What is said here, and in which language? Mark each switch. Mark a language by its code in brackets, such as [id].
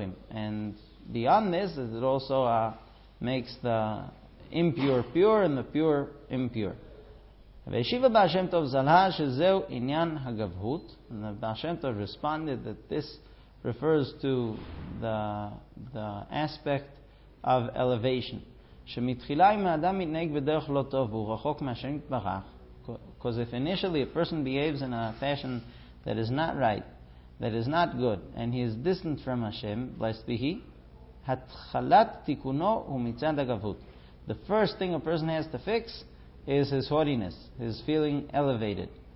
[en] And beyond this, it also makes the impure pure and the pure impure. [he] וישיבה בעל שם טוב זלה שזהו עניין הגבהות. [en] And the Baal Shem Tov responded that this refers to the aspect of elevation. [he] שמתחילה אם האדם מתנהג בדרך לא טוב והוא רחוק מהשם יתברך. [en] Because if initially a person behaves in a fashion that is not right, that is not good, and he is distant from Hashem, blessed be he, [he] התחלת תיקונו הוא מצד הגבהות. [en] The first thing a person has to fix is his haughtiness, his feeling elevated.